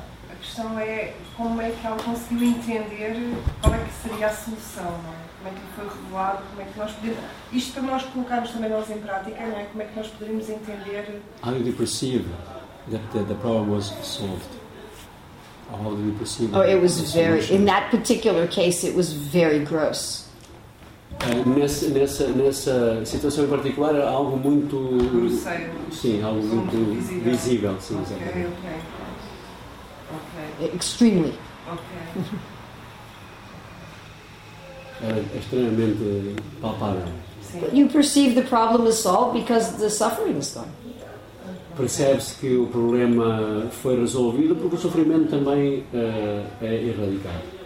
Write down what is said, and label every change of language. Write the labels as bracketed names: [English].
[Portuguese] A questão é como é que ela conseguiu entender qual é que seria a solução, não é? Como é que foi revelado, como é que nós podemos... Isto para nós colocarmos também nós em prática, não é? Como é que nós poderíamos entender... [English] How did you perceive that the problem was solved? How did you perceive... Oh, it was very... In that particular case, it was very gross. [Portuguese] Nessa situação em particular, era algo muito... Grosseiro. Sim, algo muito visível. Sim, ok, exatamente. Ok. [English] Extremely. Okay. [Portuguese] Extremamente palpável. [English] But you perceive the problem is solved because the suffering is gone. [Portuguese] Percebe-se que o problema foi resolvido porque o sofrimento também é erradicado.